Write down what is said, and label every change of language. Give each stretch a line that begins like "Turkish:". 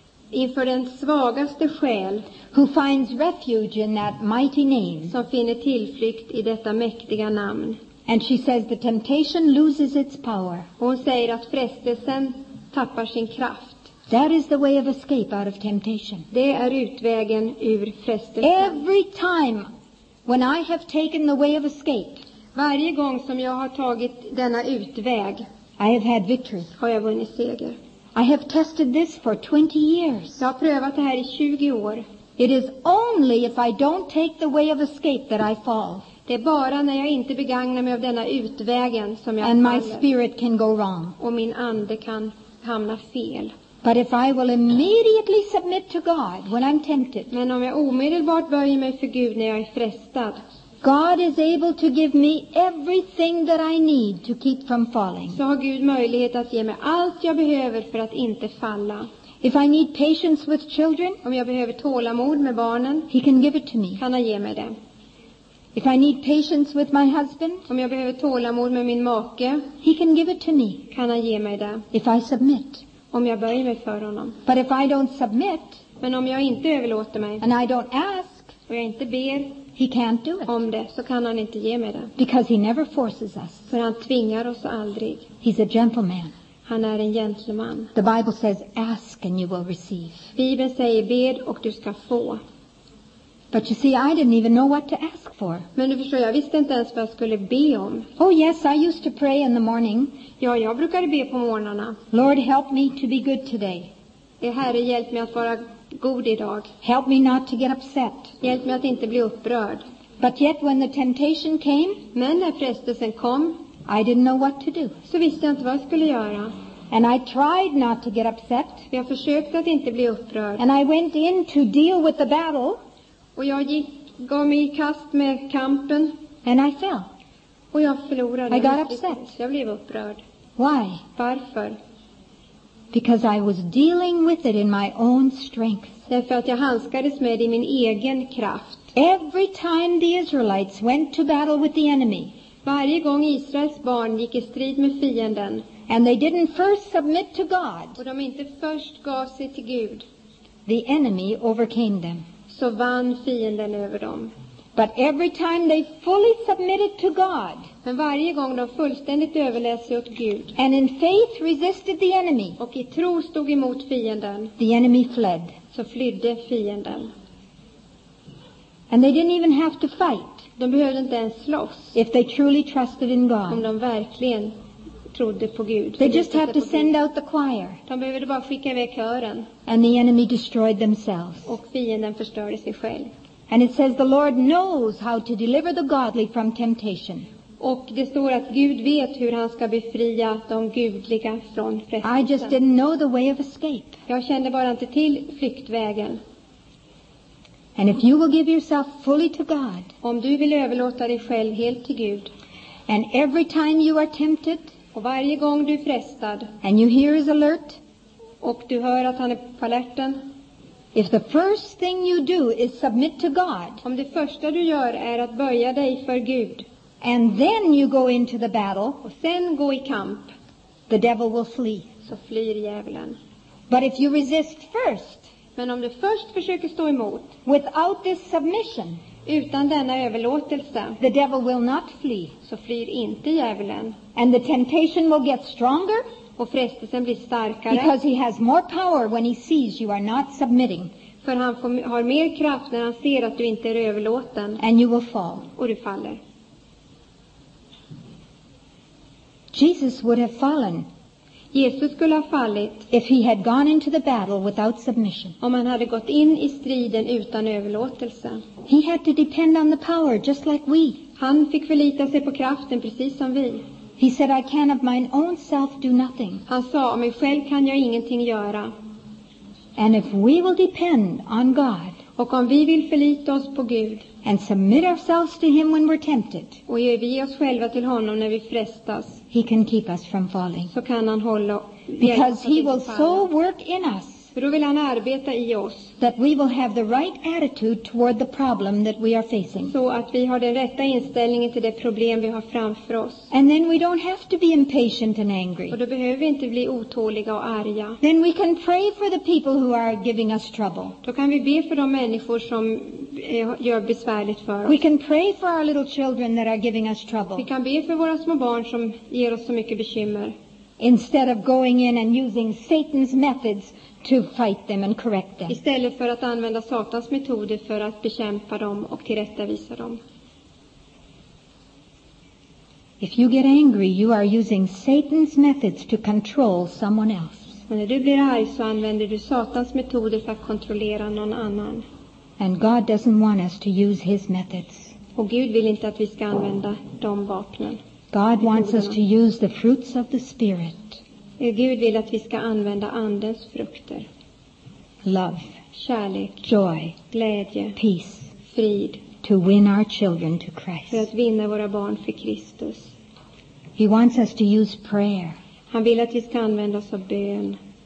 Swedish: Inför den svagaste själ.
English: Who finds refuge in that mighty name.
Swedish: Som finner tillflykt i detta mäktiga namn.
English: And she says the temptation loses its power.
Swedish: Och hon säger att frestelsen tappar sin kraft.
English: That is the way of escape out of temptation.
Swedish: Det är utvägen ur frestelsen.
English: Every time when I have taken the way of escape.
Swedish: Varje gång som jag har tagit denna utväg.
English: I have had victory.
Swedish: Har jag vunnit seger.
English: I have tested this for 20 years.
Swedish: Jag har prövat det här i 20 år.
English: It is only if I don't take the way of escape that I fall.
Swedish: Det är bara när jag inte begagnar mig av denna utvägen som jag faller.
English: And my spirit can go wrong.
Swedish: Och min ande kan hamna fel.
English: But if I will immediately submit to God when I'm tempted.
Swedish: Men om jag omedelbart böjer mig för Gud när jag är frestad.
English: God is able to give me everything that I need to keep from falling.
Swedish: Så har Gud möjlighet att ge mig allt jag behöver för att inte falla.
English: If I need patience with children,
Swedish: om jag behöver tålamod med barnen,
English: he can give it to me.
Swedish: Kan han ge mig det.
English: If I need patience with my husband,
Swedish: om jag behöver tålamod med min make,
English: he can give it to me.
Swedish: Kan han ge mig det.
English: If I submit,
Swedish: om jag böjer mig för honom.
English: But if I don't submit,
Swedish: men om jag inte överlåter mig,
English: and I don't ask,
Swedish: och jag inte ber,
English: he can't do it.
Swedish: Om det, så kan han inte ge mig det.
English: Because he never forces us.
Swedish: För han tvingar oss aldrig.
English: He's a gentleman.
Swedish: Han är en gentleman.
English: The Bible says ask and you will receive.
Swedish: Bibeln säger bed och du ska få.
English: But you see I didn't even know what to ask for.
Swedish: Men du förstår, jag visste inte ens vad jag skulle be om.
English: Oh yes, I used to pray in the morning.
Swedish: Ja, jag brukade be på morgnarna.
English: Lord help me to be good today.
Swedish: Herre, hjälp mig att vara god idag.
English: Help me not to get upset.
Swedish: Hjälp mig att inte bli upprörd.
English: But yet when the temptation came.
Swedish: Men när frestelsen kom.
English: I didn't know what to do.
Swedish: Så visste jag inte vad jag skulle göra.
English: And I tried not to get upset.
Swedish: Jag försökte att inte bli upprörd.
English: And I went in to deal with the battle.
Swedish: Och jag gick mig i kast med kampen.
English: And I fell.
Swedish: Och jag förlorade.
English: I got upset.
Swedish: Jag blev upprörd.
English: Why?
Swedish: Varför?
English: Because I was dealing with it in my own strength.
Swedish: Därför att jag handskades med det i min egen kraft.
English: Every time the Israelites went to battle with the enemy.
Swedish: Varje gång Israels barn gick i strid med fienden.
English: And they didn't first submit to God.
Swedish: Och de inte först gav sig till Gud.
English: The enemy overcame them.
Swedish: Så vann fienden över dem.
English: But every time they fully submitted to God.
Swedish: Men varje gång de fullständigt överlät sig åt Gud.
English: And in faith resisted the enemy.
Swedish: Och i tro stod emot fienden.
English: The enemy fled.
Swedish: Så flydde fienden.
English: And they didn't even have to fight.
Swedish: De behövde inte ens slåss.
English: If they truly trusted in God.
Swedish: Om de verkligen trodde på Gud.
English: They just have to send out the choir.
Swedish: De behövde bara skicka iväg kören.
English: And the enemy destroyed themselves.
Swedish: Och fienden förstörde sig själv.
English: And it says the Lord knows how to deliver the godly from temptation.
Swedish: Och det står att Gud vet hur han ska befria de gudliga från frestelsen.
English: I just didn't know the way of escape.
Swedish: Jag kände bara inte till flyktvägen.
English: And if you will give yourself fully to God.
Swedish: Om du vill överlåta dig själv helt till Gud.
English: And every time you are tempted.
Swedish: Och varje gång du är frestad.
English: And you hear his alert.
Swedish: Och du hör att han är på alerten.
English: If the first thing you do is submit to God.
Swedish: Om det första du gör är att böja dig för Gud.
English: And then you go into the battle.
Swedish: Och sen gå i kamp.
English: The devil will flee.
Swedish: Så flyr djävulen.
English: But if you resist first.
Swedish: Men om du först försöker stå emot.
English: Without this submission.
Swedish: Utan denna överlåtelse.
English: The devil will not flee.
Swedish: Så flyr inte djävulen.
English: And the temptation will get stronger.
Swedish: Och frestelsen blir starkare.
English: Because he has more power when he sees you are not submitting.
Swedish: För han har mer kraft när han ser att du inte är överlåten.
English: And you will fall.
Swedish: Och du faller.
English: Jesus would have fallen.
Swedish: Jesus skulle ha fallit.
English: If he had gone into the battle without submission.
Swedish: Om han hade gått in i striden utan överlåtelse.
English: He had to depend on the power just like we.
Swedish: Han fick förlita sig på kraften precis som vi.
English: He said I can of my own self do nothing.
Swedish: Han sa om mig själv kan jag ingenting göra.
English: And if we will depend on God.
Swedish: Och om vi vill förlita oss på Gud.
English: And submit ourselves to him when we're tempted.
Swedish: Och ge oss själva till honom när vi frestas.
English: He can keep us from falling.
Swedish: Så kan han hålla.
English: Because he will so work in us.
Swedish: För då vill han arbeta i oss.
English: That we will have the right attitude toward the problem that we are facing.
Swedish: Så att vi har den rätta inställningen till det problem vi har framför oss.
English: And then we don't have to be impatient and angry.
Swedish: Och då behöver vi inte bli otåliga och arga.
English: Then we can pray for the people who are giving us trouble.
Swedish: Då kan vi be för de människor som gör besvärligt för oss.
English: We can pray for our little children that are giving us trouble.
Swedish: Vi kan be för våra små barn som ger oss så mycket bekymmer.
English: Instead of going in and using Satan's methods to fight them and correct them.
Swedish: Istället för att använda Satans metoder för att bekämpa dem och tillrättavisa dem.
English: If you get angry, you are using Satan's methods to control someone else.
Swedish: Men när du blir arg så använder du Satans metoder för att kontrollera någon annan.
English: And God doesn't want us to use his methods.
Swedish: Och Gud vill inte att vi ska använda de vapnen.
English: God wants us to use the fruits of the Spirit.
Swedish: Gud vill att vi ska använda andens frukter.
English: Love.
Swedish: Kärlek.
English: Joy.
Swedish: Glädje.
English: Peace.
Swedish: Frid.
English: To win our children to Christ.
Swedish: För att vinna våra barn för Kristus.
English: He wants us to use prayer.
Swedish: Han vill att vi ska använda oss av bön.